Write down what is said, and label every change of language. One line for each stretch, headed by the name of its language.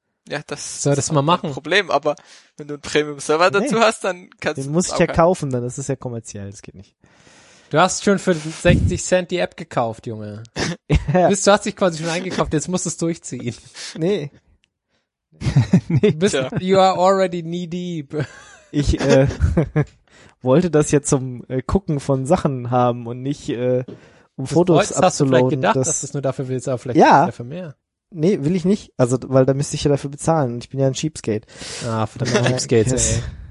German: Ja, das soll das mal machen. Problem, aber wenn du einen Premium-Server dazu hast, dann kannst den du den muss ich ja kaufen, dann ist es ja kommerziell, das geht nicht. Du hast schon für 60 Cent die App gekauft, Junge. Du hast dich quasi schon eingekauft, jetzt musst du es durchziehen. Nee.
English: You are already knee deep.
German: Ich wollte das ja zum Gucken von Sachen haben und nicht um das Fotos abzuladen. Hast du vielleicht gedacht, dass du es nur dafür willst, aber vielleicht dafür mehr. Nee, will ich nicht. Also, weil da müsste ich ja dafür bezahlen. Ich bin ja ein Cheapskate. Ah, verdammt. Cheapskate, ey.